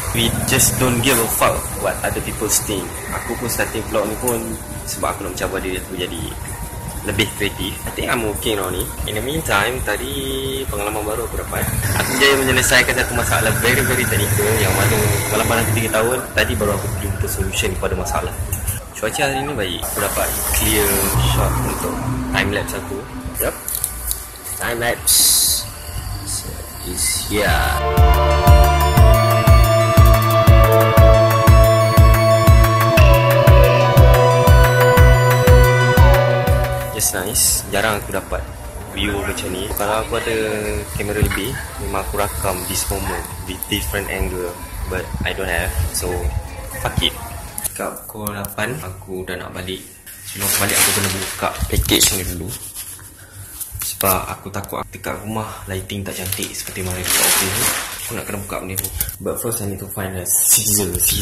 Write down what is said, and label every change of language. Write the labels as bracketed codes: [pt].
[en] We just don't give a fuck what other people think. [ms] Aku pun starting vlog ni pun sebab aku nak mencabar diri aku jadi lebih kreatif. [en] I think I'm okay now ni. In the meantime, [ms] tadi pengalaman baru aku dapat. Aku jaya menyelesaikan satu masalah [en] very technical, [ms] yang mana dalam pandang 3 tahun tadi baru aku jumpa solution kepada masalah. Cuaca hari ni baik. Aku dapat clear shot untuk timelapse aku. [en] Yup, timelapse is here. It's nice. [ms] Jarang aku dapat view macam ni. Kalau aku ada kamera lebih, memang aku rakam [en] this moment with different angle. But I don't have, so fuck it. [ms] Kat pukul 8, aku dah nak balik. Sebelum aku balik, aku kena buka package ni dulu. Sebab aku takut dekat rumah lighting tak cantik seperti mana dekat office ni. Aku nak kena buka benda ni. [en] But first, I need to find a scissor.